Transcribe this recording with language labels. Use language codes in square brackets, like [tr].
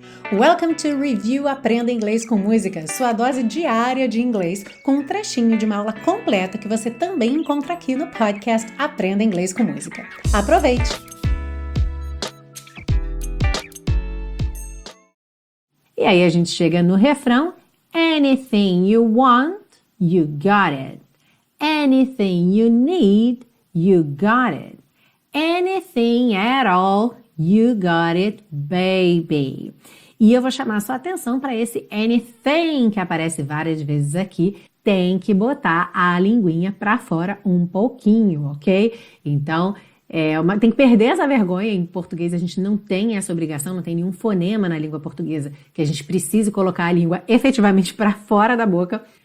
[en] Welcome to Review [pt] Aprenda Inglês com Música, sua dose diária de inglês, com um trechinho de uma aula completa que você também encontra aqui no podcast Aprenda Inglês com Música. Aproveite! E aí a gente chega no refrão. [en] Anything you want, you got it. Anything you need, you got it. Anything at all, you got it, baby. [pt] E eu vou chamar a sua atenção para esse anything que aparece várias vezes aqui. Tem que botar a linguinha para fora um pouquinho, ok? Então, tem que perder essa vergonha. Em português, a gente não tem essa obrigação, não tem nenhum fonema na língua portuguesa que a gente precise colocar a língua efetivamente para fora da boca.